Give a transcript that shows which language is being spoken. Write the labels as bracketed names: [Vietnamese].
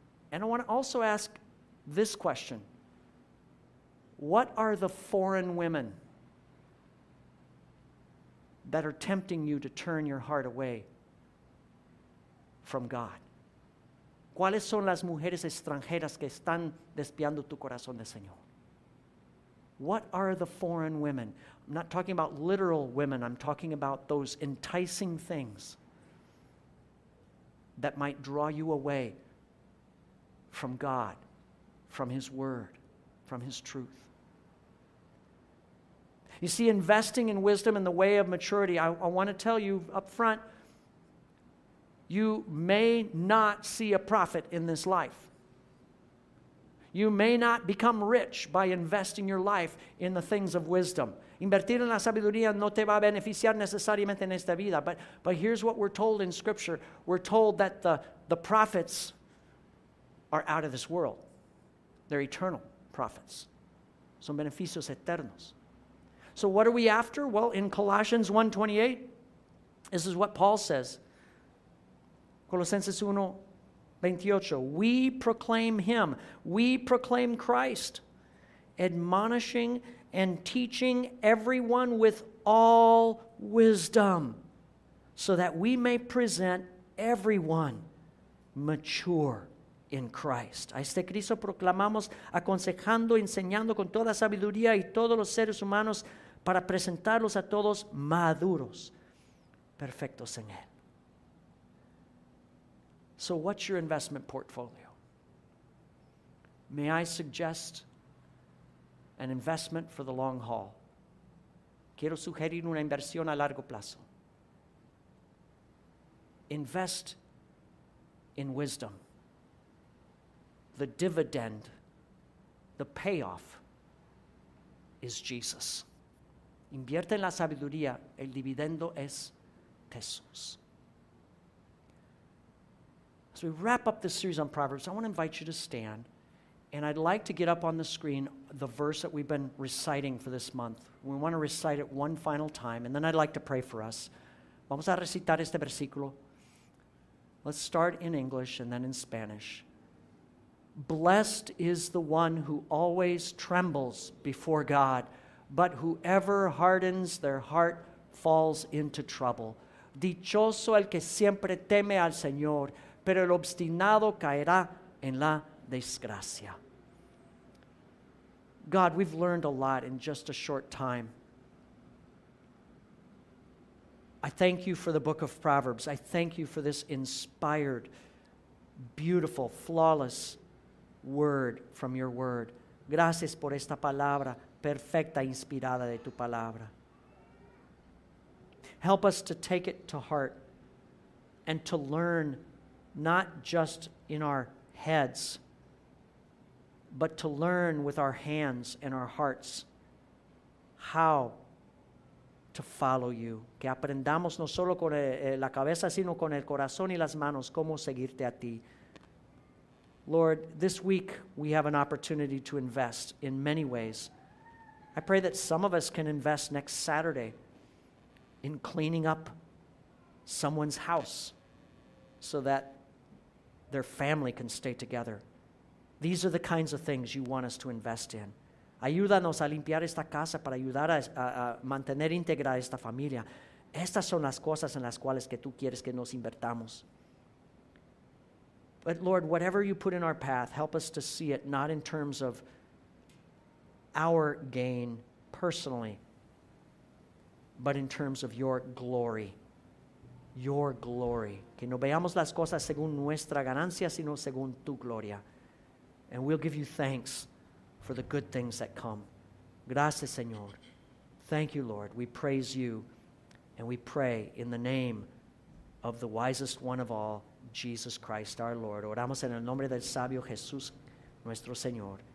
[English] And I want to also ask this question. What are the foreign women that are tempting you to turn your heart away from God? [Spanish] ¿Cuáles son las mujeres extranjeras que están desviando tu corazón del Señor? [English] What are the foreign women? I'm not talking about literal women. I'm talking about those enticing things that might draw you away from God, from His Word, from His truth. You see, investing in wisdom in the way of maturity, I want to tell you up front, you may not see a profit in this life. You may not become rich by investing your life in the things of wisdom. [Spanish] Invertir en la sabiduría no te va a beneficiar necesariamente en esta vida. [English] But here's what we're told in Scripture. We're told that the prophets are out of this world. They're eternal profits. [Spanish] Son beneficios eternos. [English] So what are we after? Well, in Colossians 1:28, this is what Paul says. [Spanish] Colosenses 1:28. [English] We proclaim Him. We proclaim Christ, admonishing and teaching everyone with all wisdom, so that we may present everyone mature in Christ. [Spanish] A este Cristo proclamamos, aconsejando, enseñando con toda sabiduría y todos los seres humanos para presentarlos a todos maduros, perfectos en Él. [English] So what's your investment portfolio? May I suggest an investment for the long haul? [Spanish] Quiero sugerir una inversión a largo plazo. [English] Invest in wisdom. The dividend, the payoff, is Jesus. [Spanish] Invierte en la sabiduría, el dividendo es Jesús. [English] As we wrap up this series on Proverbs, I want to invite you to stand, and I'd like to get up on the screen the verse that we've been reciting for this month. We want to recite it one final time, and then I'd like to pray for us. [Spanish] Vamos a recitar este versículo. [English] Let's start in English and then in Spanish. Blessed is the one who always trembles before God, but whoever hardens their heart falls into trouble. [Spanish] Dichoso el que siempre teme al Señor, pero el obstinado caerá en la desgracia. [English] God, we've learned a lot in just a short time. I thank you for the book of Proverbs. I thank you for this inspired, beautiful, flawless word from your word. [Spanish] Gracias por esta palabra perfecta inspirada de tu palabra. [English] Help us to take it to heart and to learn not just in our heads, but to learn with our hands and our hearts how to follow you. [Spanish] Que aprendamos no solo con la cabeza, sino con el corazón y las manos, cómo seguirte a ti. [English] Lord, this week we have an opportunity to invest in many ways. I pray that some of us can invest next Saturday in cleaning up someone's house so that their family can stay together. These are the kinds of things you want us to invest in. [Spanish] Ayúdanos a limpiar esta casa para ayudar a mantener integrada esta familia. Estas son las cosas en las cuales que tú quieres que nos invertamos. [English] But Lord, whatever you put in our path, help us to see it not in terms of our gain personally, but in terms of your glory. Your glory. [Spanish] Que no veamos las cosas según nuestra ganancia, sino según tu gloria. [English] And we'll give you thanks for the good things that come. [Spanish] Gracias, Señor. [English] Thank you, Lord. We praise you, and we pray in the name of the wisest one of all, Jesus Christ, our Lord. [Spanish] Oramos en el nombre del sabio Jesús, nuestro Señor.